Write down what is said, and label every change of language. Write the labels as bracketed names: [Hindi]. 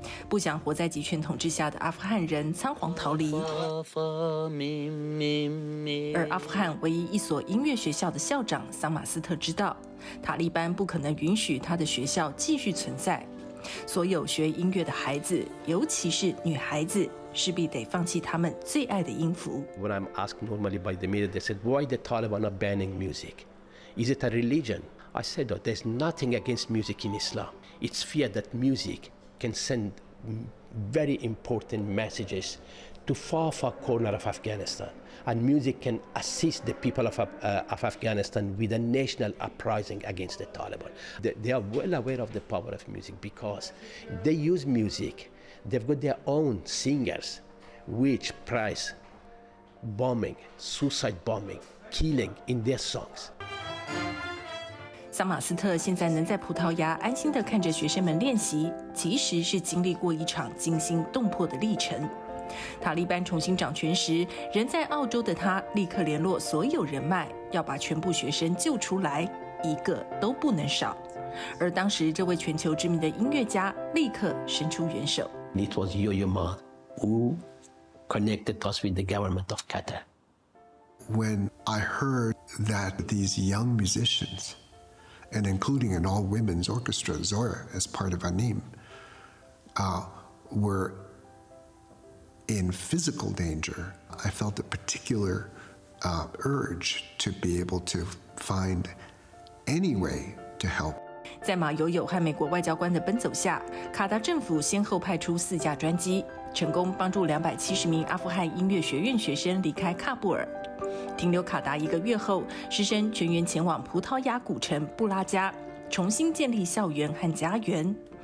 [Chinese] 不想活在集权统治下的阿富汗人仓皇逃离，而阿富汗唯一一所音乐学校的校长桑马斯特知道，塔利班不可能允许他的学校继续存在，所有学音乐的孩子，尤其是女孩子，势必得放弃他们最爱的音符。 [English] When I'm asked normally by the media, they said, why the Taliban are banning music? Is it a religion? I said, oh, there's nothing against music in Islam. It's fear that musiccan send very important messages to far, far corner of Afghanistan. And music can assist the people of Afghanistan with a national uprising against the Taliban. They are well aware of the power of music because they use music. They've got their own singers, which praise bombing, suicide bombing, killing in their songs. [Chinese] 桑马斯特现在能在葡萄牙安心地看着学生们练习，其实是经历过一场惊心动魄的历程。塔利班重新掌权时，人在澳洲的他立刻联络所有人脉，要把全部学生救出来，一个都不能少。而当时这位全球知名的音乐家立刻伸出援手。 [English] It was Yo-Yo Ma who connected us with the government of Qatar. When I heard that these young musicians,and including an all-women's orchestra, Zora, as part of Anim, were in physical danger, I felt a particular urge to be able to find any way to help. [Chinese] 在马友友和美国外交官的奔走下，卡达政府先后派出四架专机，成功帮助270名阿富汗音乐学院学生离开喀布尔。停留卡达一个月后，师生全员前往葡萄牙古城布拉加，重新建立校园和家园。